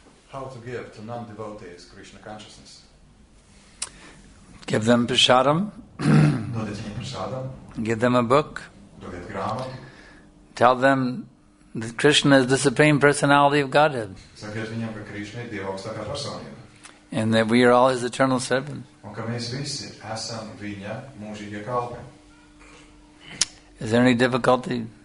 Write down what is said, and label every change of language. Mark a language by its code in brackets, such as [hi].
[en] How to give to non-devotees Krishna consciousness? Give them prasadam. Prasadam. Give them a book. [lv] Dodiet grāmatu. [en] Tell them that Krishna is the Supreme Personality of Godhead. [lv] Sakiet viņam, ka Krishna ir Dieva augstākā personība. [en] And that we are all his eternal servants. [lv] Un ka mēs visi esam viņa mūžīgie kalpi. [en] Is there any difficulty?